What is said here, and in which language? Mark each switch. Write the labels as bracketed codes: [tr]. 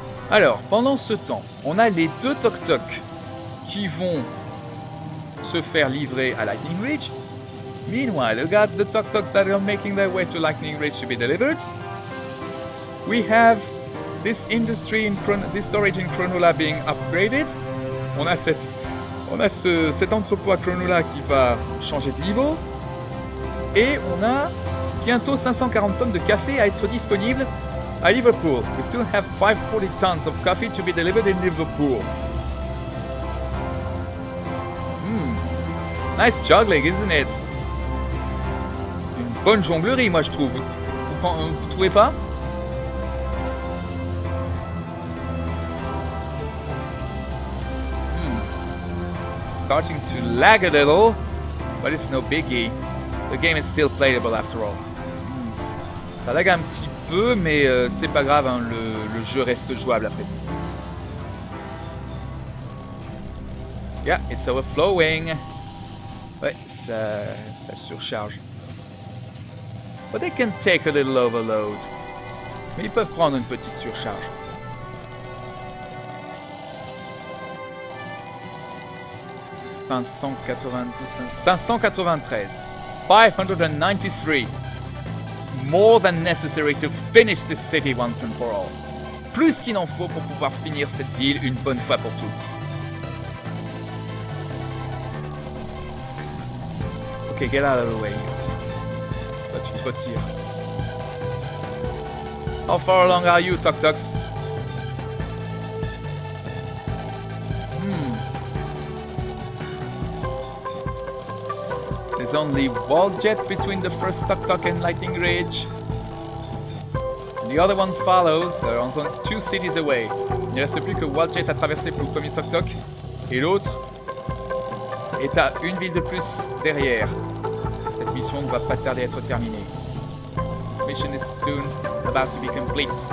[fr] Alors, pendant ce temps, on a les deux Tok Tok qui vont se faire livrer à Lightning Ridge. [en] Meanwhile, we got the Tok Toks that are making their way to Lightning Ridge to be delivered. We have this industry in this storage in Cronulla being upgraded. [fr] On a cet entrepôt à Cronulla qui va changer de niveau. Et on a bientôt 540 tonnes de café à être disponible à Liverpool. [en] We still have 540 tons of coffee to be delivered in Liverpool. Nice juggling, isn't it? [fr] Une bonne jonglerie, moi je trouve. Vous trouvez pas? [en] Starting to lag a little, but it's no biggie. The game is still playable after all. [fr] Ça lag un petit peu, mais c'est pas grave, hein, le jeu reste jouable après. [en] Yeah, it's overflowing. [fr] Ouais, ça surcharge. [en] But they can take a little overload. [fr] Mais ils peuvent prendre une petite surcharge. Cinq cent quatre-vingt-treize. 593. [en] More than necessary to finish this city once and for all. [fr] Plus qu'il en faut pour pouvoir finir cette ville une bonne fois pour toutes. [en] Ok, get out of the way. [fr] Là, tu te retires. [en] How far along are you, Tuk Tuks? There's only wall jet between the first Tuk Tuk and Lightning Ridge. The other one follows, they're only two cities away. [fr] Il ne reste plus que wall jet à traverser pour le premier Tuk Tuk. Et l'autre est à une ville de plus derrière. Cette mission ne va pas tarder à être terminée. [en] This mission is soon about to be complete.